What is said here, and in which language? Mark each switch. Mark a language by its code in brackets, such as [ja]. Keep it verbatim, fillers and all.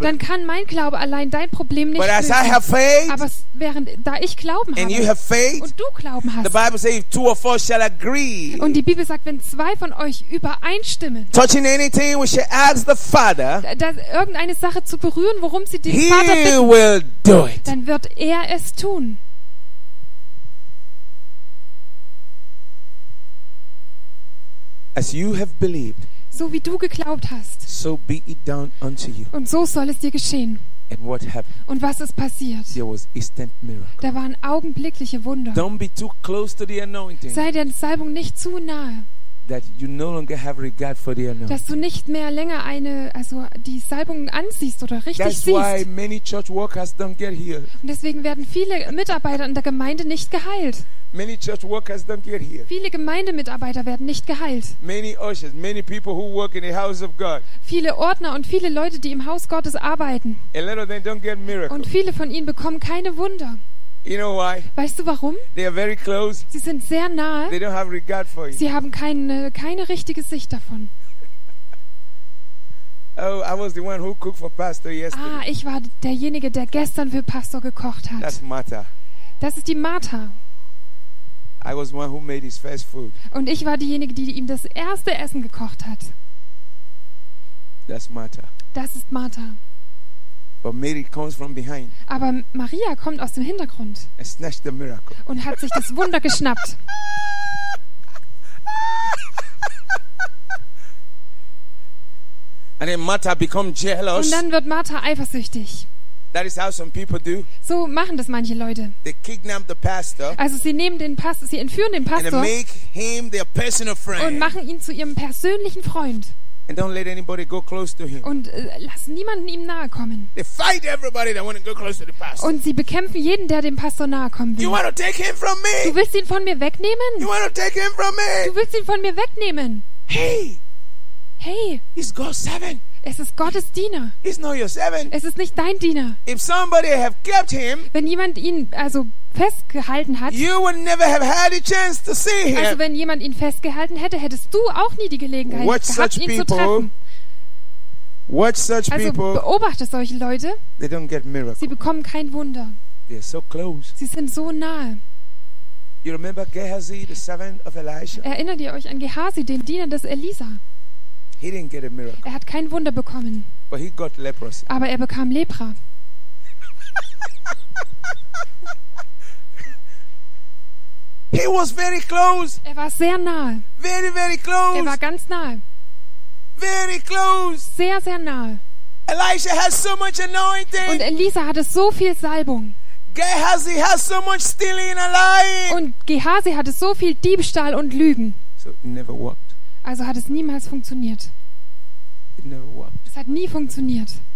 [de] dann kann mein Glaube allein dein Problem nicht [en] But as [de] lösen. [en] I have faith, [de] Aber s, während, da ich Glauben [en] and [de] habe [en] you have faith, [de] und du Glauben [en] the [de] hast, [en] Bible says two or four shall agree. [de] und die Bibel sagt, wenn zwei von euch übereinstimmen, [en] Touching anything, we shall ask the Father. [de] da, da irgendeine Sache zu berühren, worum sie den [en] He [de] Vater bitten [en] will Do it. [de] Dann wird er es tun. [en] As you have believed, [de] So wie du geglaubt hast. [en] so be it done unto you. [de] Und so soll es dir geschehen. [en] And what happened? [de] Und was ist passiert? [en] There was instant miracle. [de] Da waren augenblickliche Wunder. [en] Don't be too close to the anointing. [de] Sei der Salbung nicht zu nahe. [en] that you no longer have regard for the unknown. [de] Dass du nicht mehr länger eine, also die Salbung ansiehst oder richtig [en] That's why [de] siehst. [en] many church workers don't get healed. [de] Und deswegen werden viele Mitarbeiter in der Gemeinde nicht geheilt. [en] Many church workers don't get healed. [de] Viele Gemeindemitarbeiter werden nicht geheilt. [en] Many ushers, many people who work in the house of God. [de] Viele Ordner und viele Leute, die im Haus Gottes arbeiten. [en] A lot of them don't get miracle. [de] Und viele von ihnen bekommen keine Wunder. [en] You know why? [de] Weißt du warum? [en] They are very close. [de] Sie sind sehr nahe. [en] They don't have regard for you. [de] Sie haben keine, keine richtige Sicht davon. [en] Oh, I was the one who cooked for pastor yesterday. [de] Ah, ich war derjenige, der gestern für Pastor gekocht hat. [en] That's Martha. [de] Das ist die Martha. [en] I was one who made his first food. [de] Und ich war diejenige, die ihm das erste Essen gekocht hat. [en] That's Martha. [de] Das ist Martha. [en] But Mary comes from behind [de] Aber Maria kommt aus dem Hintergrund [en] and snatched the miracle. [de] und hat sich das Wunder geschnappt. [en] And then Martha become jealous. [de] Und dann wird Martha eifersüchtig. [en] That is how some people do. [de] So machen das manche Leute. [en] They kidnap the pastor [de] Also sie nehmen den Pas-, sie entführen den [en] and they [de] Pastor [en] make him their personal [de] und [en] friend. [de] machen ihn zu ihrem persönlichen Freund. [en] And don't let anybody go close to him. [de] Und, äh, lass niemanden ihm nahe kommen. [en] They fight everybody that wanna go close to the pastor. [de] Und sie bekämpfen jeden, der dem Pastor nahe kommen will. [en] You wanna take him from me? [de] Du willst ihn von mir wegnehmen? [en] You wanna take him from me? [de] Du willst ihn von mir wegnehmen? [en] Hey! [de] Hey! [en] He's God's servant. [de] Es ist Gottes Diener. [en] It's not your servant. [de] Es ist nicht dein Diener. [en] If somebody have kept him, [de] Wenn jemand ihn, also, festgehalten hat, [en] you would never have had a chance to see him. [de] also, wenn jemand ihn festgehalten hätte, hättest du auch nie die Gelegenheit [en] Watch [de] gehabt, [en] such [de] ihn zu [en] people. [de] treffen. [en] Watch such [de] Also, [en] people. [de] beobachte solche Leute. [en] They don't get miracles. [de] Sie bekommen kein Wunder. [en] They are so close. [de] Sie sind so nahe. [en] You remember Gehazi, the servant of Elisha? [de] Erinnert ihr euch an Gehazi, den Diener des Elisa? [en] He didn't get a miracle. [de] Er hat kein Wunder bekommen. [en] But he got leprosy. [de] Aber er bekam Lepra. [en] He was very close. [de] Er war sehr nahe. [en] Very, very [de] Er [en] close. [de] war ganz nahe. [en] Very close. [de] Sehr, sehr nahe. [en] Elisha had so much anointing. [de] Und Elisa hatte so viel Salbung. [en] Gehazi had so much stealing and lying. [de] Und Gehazi hatte so viel Diebstahl und Lügen. [en] So it never worked. [de] Also hat es niemals funktioniert. [en] Never worked. [de] Es hat nie funktioniert.